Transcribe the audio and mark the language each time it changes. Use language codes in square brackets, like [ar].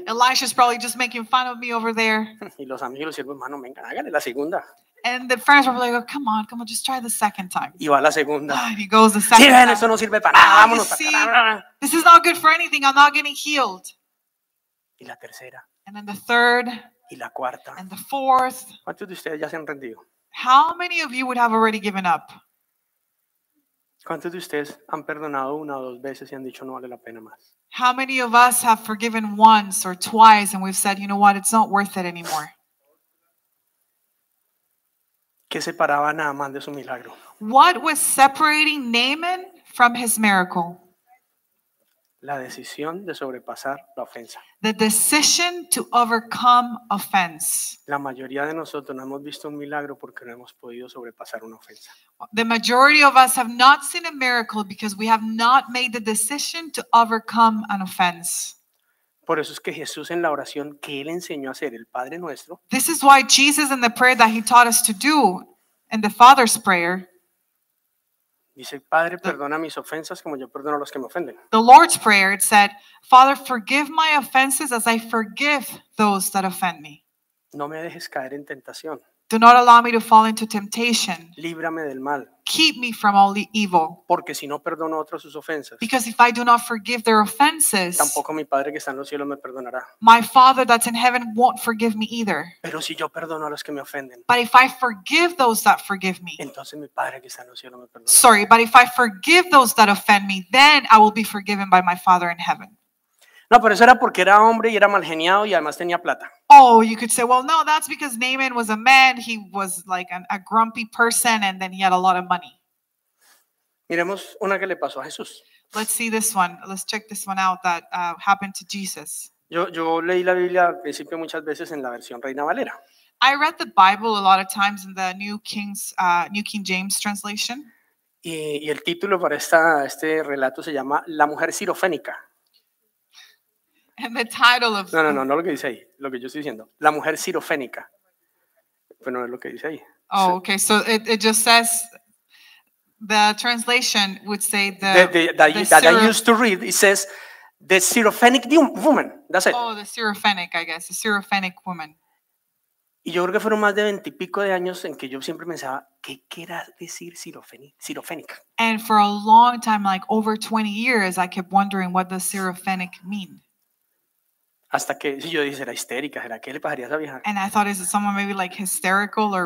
[en] Elisha's probably just making fun of me over there. [es] Y los amigos, y el hermano, venga, hágale la segunda. [en] And the friends were like, oh, come on, come on, just try the second time. [es] Y va la segunda. [en] Oh, he goes the second [es] sí, [en] time. [es] Eso no sirve para nada. Vámonos, [en] see, this is not good for anything. I'm not getting healed. [es] Y la tercera. [en] And then the third. [es] Y la cuarta. [en] And the fourth. [es] ¿Cuántos de ustedes ya se han rendido? [en] How many of you would have already given up? [es] ¿Cuántos de ustedes han perdonado una o dos veces y han dicho no vale la pena más? [en] How many of us have forgiven once or twice and we've said, you know what, it's not worth it anymore? [es] ¿Qué separaba a Naamán de su milagro? [en] What was separating Naaman from his miracle? [es] La decisión de sobrepasar la ofensa. [en] The decision to overcome offense. [es] La mayoría de nosotros no hemos visto un milagro porque no hemos podido sobrepasar una ofensa. [en] The majority of us have not seen a miracle because we have not made the decision to overcome an offense. [es] Por eso es que Jesús en la oración que él enseñó a hacer, el Padre Nuestro. [en] This is why Jesus in the prayer that he taught us to do, in the Father's prayer. [es] Dice, Padre, perdona mis ofensas como yo perdono a los que me ofenden. [en] The Lord's prayer, it said, Father, forgive my offenses as I forgive those that offend me. [es] No me dejes caer en tentación. [en] Do not allow me to fall into temptation. [es] Líbrame del mal. [en] Keep me from all the evil. [es] Porque si no perdono otros sus ofensas. [en] Because if I do not forgive their offenses. [es] Tampoco mi Padre que está en los cielos me perdonará. [en] My Father that's in heaven won't forgive me either. [es] Pero si yo perdono a los que me ofenden. [en] But if I forgive those that forgive me. [es] Entonces mi Padre que está en los cielos me perdonará. [en] Sorry, but if I forgive those that offend me, then I will be forgiven by my Father in heaven. [es] No, pero eso era porque era hombre y era malgeniado y además tenía plata. [en] Oh, you could say, well, no, that's because Naaman was a man. He was like a grumpy person and then he had a lot of money. [es] Miremos una que le pasó a Jesús. [en] Let's see this one. Let's check this one out that happened to Jesus. [es] Yo leí la Biblia al principio muchas veces en la versión Reina Valera. [en] I read the Bible a lot of times in the New King James translation. [es] Y el título para este relato se llama La Mujer Sirofénica. [en] And the title of [es] No, lo que dice ahí, lo que yo estoy diciendo. La mujer sirofénica. Pero no es lo que dice ahí. [en] Oh, okay. So it just says the translation would say that I used to read, it says the sirofénic woman. That's it. Oh, the sirofénic, I guess. The sirofénic woman. [es] Y yo creo que fueron más de 20 y pico de años en que yo siempre pensaba, ¿qué quiere decir sirofénica? [en] And for a long time, like over 20 years, I kept wondering what the sirofénic mean. [es] Hasta que si yo dije, era histérica, ¿será que le pasaría a esa vieja? [en] And I thought, is it someone maybe like hysterical or